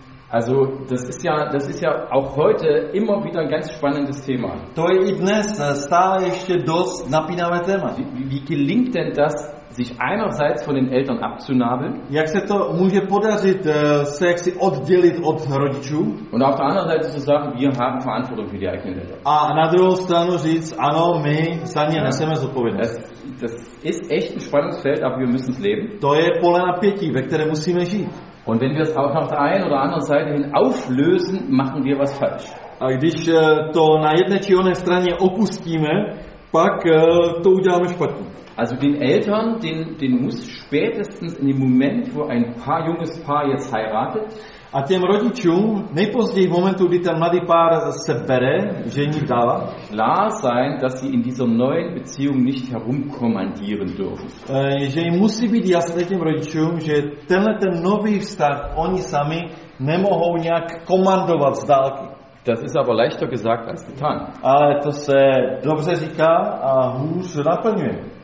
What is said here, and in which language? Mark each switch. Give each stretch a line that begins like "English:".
German: Also, das ist ja auch heute immer wieder ein ganz spannendes Thema.
Czech: To je i dnes stále ještě dost napínavé téma.
German: Wie gelingt denn das, sich einerseits von den Eltern abzunabeln?
Czech: Jak se to může podařit, se jaksi oddělit od rodičů?
German: Und auf der anderen Seite zu sagen, wir haben Verantwortung für die eigenen Eltern.
Czech: A na druhou stranu říct, ano, my za ně neseme zodpovědnost.
German: Das ist echt ein Spannungsfeld, aber wir müssen es leben.
Czech: To je pole napětí, ve které musíme žít.
German: Und wenn wir es auch noch der einen oder anderen Seite hin auflösen, machen wir was falsch.
Czech: A když to na jedné či oné straně opustíme, pak to uděláme špatně.
German: Also den Eltern, den muss spätestens in dem Moment, wo ein paar junges Paar jetzt heiratet,
Czech: a těm rodičům nejpozději v momentu, kdy ten mladý pár se bere, žení dala,
German: klar sein, dass sie in dieser neuen Beziehung nicht herumkommandieren dürfen.
Czech: Že jim musí být jasné těm rodičům, že tenhle ten nový vztah oni sami nemohou nějak komandovat z dálky.
German: Das ist aber leichter gesagt als getan.
Czech: Ale to se dobře říká a hůř naplňuje.